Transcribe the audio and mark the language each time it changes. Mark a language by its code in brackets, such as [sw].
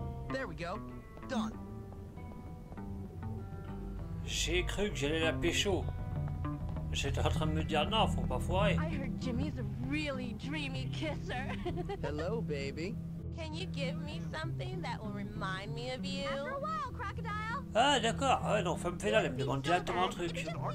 [en] There we go. Done. [fr] J'ai cru que j'allais la pécho. J'étais en train de me dire non, faut pas foirer. [en] I heard Jimmy's a really dreamy kisser. Hello, baby. Can you give me something that will remind me of you? After a while, crocodile. [fr] Ah, d'accord. Ah, non, femme fait là, elle me demande directement un truc.